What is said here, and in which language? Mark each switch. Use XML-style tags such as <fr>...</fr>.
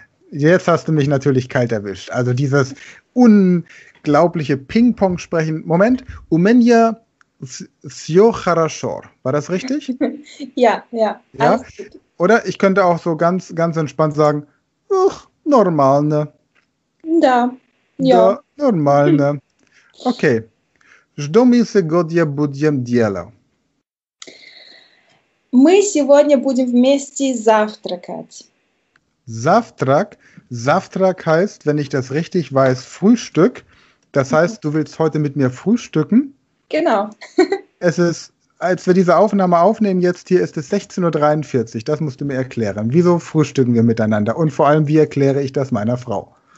<de>Jetzt hast du mich natürlich kalt erwischt. Also dieses unglaubliche Ping-Pong-Sprechen. Moment.</de> <ru>У меня все хорошо.</ru> <de>War das richtig? Ja. Ja? Oder ich könnte auch so ganz, ganz entspannt sagen, ach, normal, ne?</de> <ru>Да,</ru> <de>normal, ne? Okay.</de> <ru>Что мы сегодня будем делать? Мы сегодня будем вместе завтракать. Завтрак.</ru> <de>Завтрак heißt, wenn ich das richtig weiß, Frühstück. Das heißt, du willst heute mit mir frühstücken? Genau. Es ist... Als wir diese Aufnahme aufnehmen, jetzt hier ist es 16.43 Uhr. Das musst du mir erklären. Wieso frühstücken wir miteinander? Und vor allem, wie erkläre ich das meiner Frau?</de>